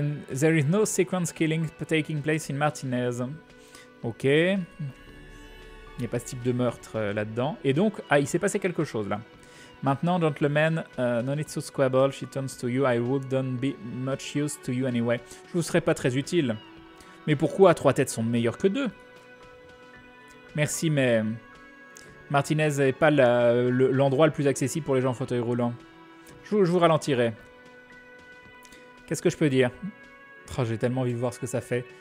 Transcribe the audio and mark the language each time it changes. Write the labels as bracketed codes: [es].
[en] There is no sequence killing taking place in Martinez. Ok. [fr] Il n'y a pas ce type de meurtre là-dedans. Et donc, ah, il s'est passé quelque chose là. [en] Maintenant, gentlemen, no need to squabble, she turns to you, I wouldn't be much use to you anyway. [fr] Je vous serais pas très utile. Mais pourquoi trois têtes sont meilleures que deux? Merci, mais Martinez n'est pas l'endroit le plus accessible pour les gens en fauteuil roulant. Je vous ralentirai. Qu'est-ce que je peux dire? Oh, j'ai tellement envie de voir ce que ça fait.